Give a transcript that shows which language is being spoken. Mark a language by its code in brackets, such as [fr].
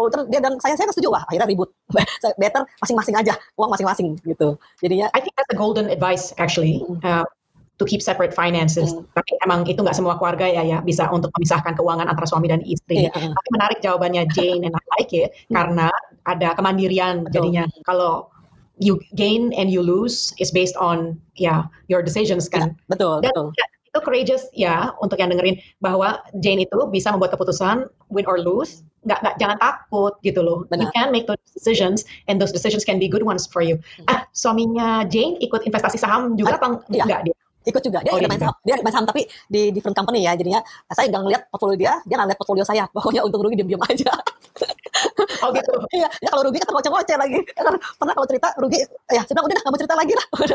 [id] Dia dan saya gak setuju, wah akhirnya ribut. Better masing-masing aja, uang masing-masing gitu. Jadinya, [en] I think that's a golden advice actually. To keep separate finances. [id] Tapi emang itu gak semua keluarga ya bisa untuk memisahkan keuangan antara suami dan istri. [en] Yeah. [id] Tapi menarik jawabannya Jane, [en] and I like it. [id] Karena ada kemandirian. Betul. Jadinya. [en] Kalau you gain and you lose is based on your decisions kan. Yeah, [id] betul. Dan betul. Ya, itu courageous ya untuk yang dengerin. Bahwa Jane itu bisa membuat keputusan [en] win or lose. [id] Gak, jangan takut gitu loh. Benar. [en] You can make those decisions, and those decisions can be good ones for you. [id] Ah, suaminya Jane ikut investasi saham juga atau enggak dia? Ikut juga, dia main saham, tapi di different company ya, jadinya saya nggak ngeliat portfolio dia nggak lihat portfolio saya, pokoknya untung rugi diem-diem aja. Oh gitu. Iya, ya kalau rugi kan ngoceh-ngoceh lagi, pernah kalau cerita rugi, ya saya bilang udah nggak mau cerita lagi lah.